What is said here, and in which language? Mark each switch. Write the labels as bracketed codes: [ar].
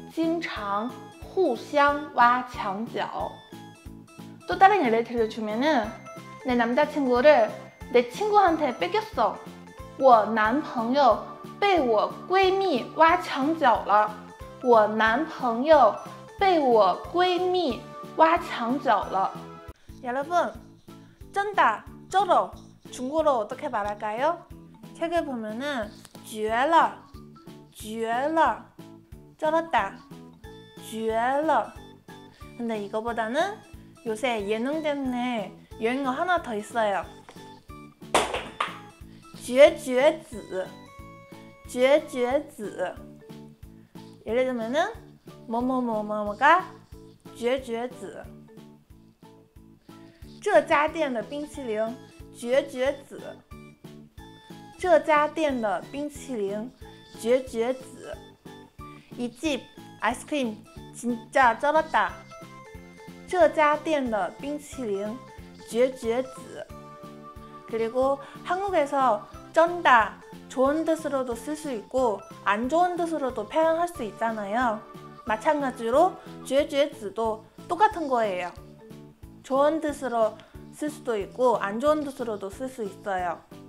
[zh] 两个公司经常互相挖墙脚. [ko] 또 다른 예를 들어주면은 내 남자친구를 내 친구한테 뺏겼어. [zh] 我男朋友被我闺蜜挖墙脚了.我男朋友被我闺蜜挖墙脚了. [ko] 여러분, 쩐다, 쩔어. 중국어로 어떻게 말할까요? 책을 보면은 쥐어라, 쥐어라, 쩔었다, 쥐어라. 근데 이거보다는 요새 예능 때문에 유행어 하나 더 있어요. [zh] 绝绝子, 绝绝子. [ko] 예를 들면은 뭐뭐뭐뭐가 绝绝子. [zh] 这家店的冰淇淋, 绝绝子.这家店的冰淇淋, 绝绝子. [ko] 이 집 아이스크림 진짜 쩔었다. [zh] 这家店的冰淇淋, 绝绝子. [ko] 그리고 한국에서 쩐다, 좋은 뜻으로도 쓸 수 있고 안 좋은 뜻으로도 표현할 수 있잖아요. 마찬가지로 죄죄子도 똑같은 거예요. 좋은 뜻으로 쓸 수도 있고 안 좋은 뜻으로도 쓸 수 있어요.